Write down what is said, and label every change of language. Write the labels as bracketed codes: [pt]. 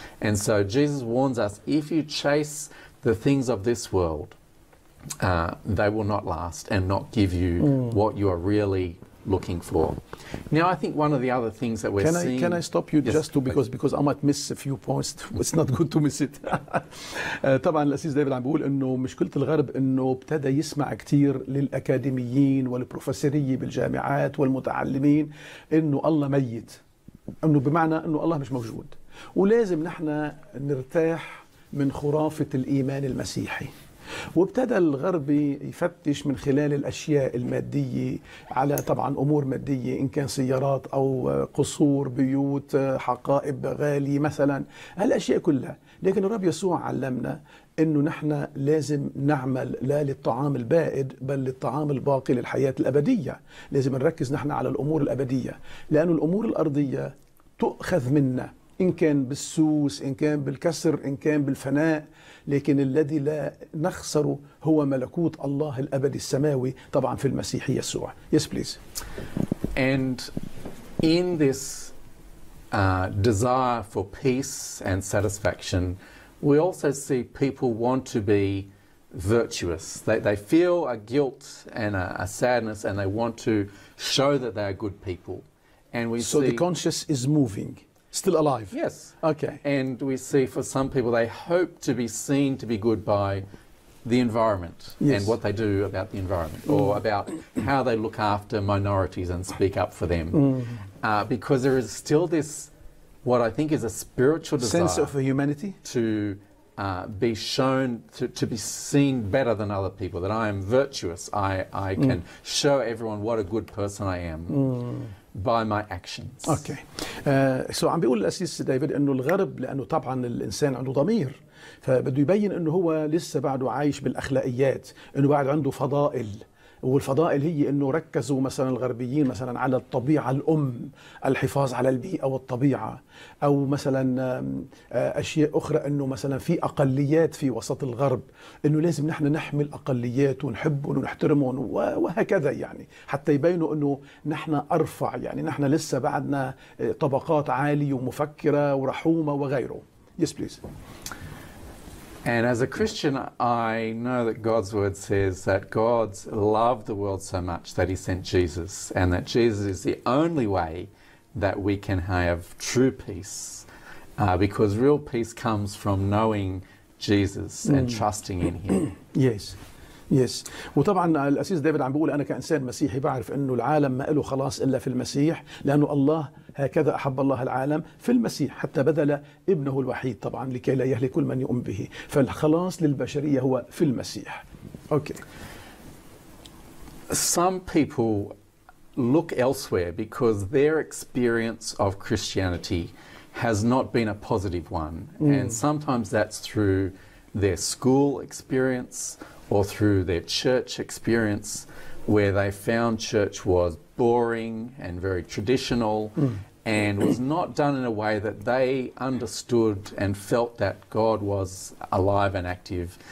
[en] And so Jesus warns us, if you chase the things of this world, they will not last and not give you what you are really looking for. Now, I think one of the other things that we're Can I stop you just to, because I might miss a few points. It's not good to miss it. [ar] طبعا الأستاذ ديفيد عم بيقول إنه مشكلة الغرب إنه ابتدى يسمع كتير للأكاديميين والبروفيسورية بالجامعات والمتعلمين إنه الله ميت. إنه بمعنى إنه الله مش موجود. ولازم نحن نرتاح من خرافة الإيمان المسيحي. وابتدى الغربي يفتش من خلال الأشياء المادية على طبعا أمور مادية إن كان سيارات أو قصور بيوت حقائب غالية مثلا هالأشياء كلها لكن الرب يسوع علمنا إنه نحن لازم نعمل لا للطعام البائد بل للطعام الباقي للحياة الأبدية لازم نركز نحن على الأمور الأبدية لأنه الأمور الأرضية تؤخذ منا إن كان بالسوس إن كان بالكسر إن كان بالفناء لكن الذي لا نخسره هو ملكوت الله الأبدي السماوي طبعا في المسيح يسوع. [en] Yes please. And in this desire for peace and satisfaction, we also see people want to be virtuous. They feel a guilt and a sadness and they want to show that they are good people. And we see. So the conscience is moving. Still alive. Yes. Okay. And we see for some people they hope to be seen to be good by the environment yes. and what they do about the environment or about how they look after minorities and speak up for them. Because there is still this, what I think is a spiritual desire. Sense of humanity. To be shown, to be seen better than other people, that I am virtuous. I can show everyone what a good person I am. By my actions. Okay. [ar] So عم بيقول الأسيس ديفيد إنه الغرب لأنه طبعا الإنسان عنده ضمير فبده يبين إنه هو لسه بعده عايش بالأخلاقيات إنه بعد عنده فضائل والفضائل هي إنه ركزوا مثلا الغربيين مثلا على الطبيعة الأم الحفاظ على البيئة والطبيعة أو مثلا أشياء أخرى إنه مثلا في أقليات في وسط الغرب إنه لازم نحن نحمي الأقليات ونحبهم ونحترمهم وهكذا يعني حتى يبينوا إنه نحن أرفع يعني نحن لسه بعدنا طبقات عالية ومفكرة ورحومة وغيره. [en] Yes please. And as a Christian, I know that God's word says that God loved the world so much that he sent Jesus and that Jesus is the only way that we can have true peace because real peace comes from knowing Jesus and trusting in him. Yes. Yes. [ar] وطبعا الأسيس ديفيد عم بيقول أنا كإنسان مسيحي بعرف إنه العالم ما إله خلاص إلا في المسيح لأنه الله هكذا أحب الله العالم في المسيح حتى بذل ابنه الوحيد طبعا لكي لا يهلك كل من يؤمن به فالخلاص للبشرية هو في المسيح. [en] Okay. Some people look elsewhere because their experience of Christianity has not been a positive one and sometimes that's through their school experience or through their church experience where they found church was boring and very traditional and was not done in a way that they understood and felt that God was alive and active.